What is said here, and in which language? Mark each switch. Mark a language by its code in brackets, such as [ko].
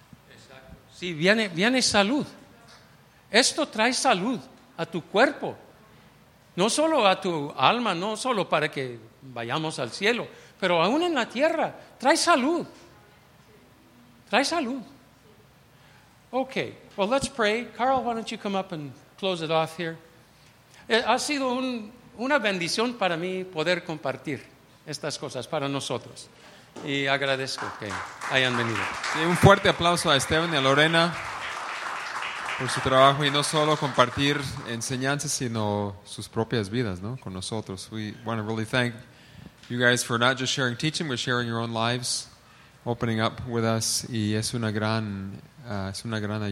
[es] Exacto. Sí, viene salud. Esto trae salud a tu cuerpo, no solo a tu alma, no solo para que vayamos al cielo, pero aún en la tierra, trae salud. [en] Okay, well, let's pray. Carl, why don't you come up and close it off here. [es] Ha sido una bendición para mí poder compartir estas cosas para nosotros y agradezco que hayan venido. Sí, un fuerte aplauso a Esteban y a Lorena por su trabajo y no solo compartir enseñanzas sino sus propias vidas, ¿no? Con nosotros. [en] We want to really thank you guys for not just sharing teaching, but sharing your own lives, opening up with us, [es] y es una gran ayuda.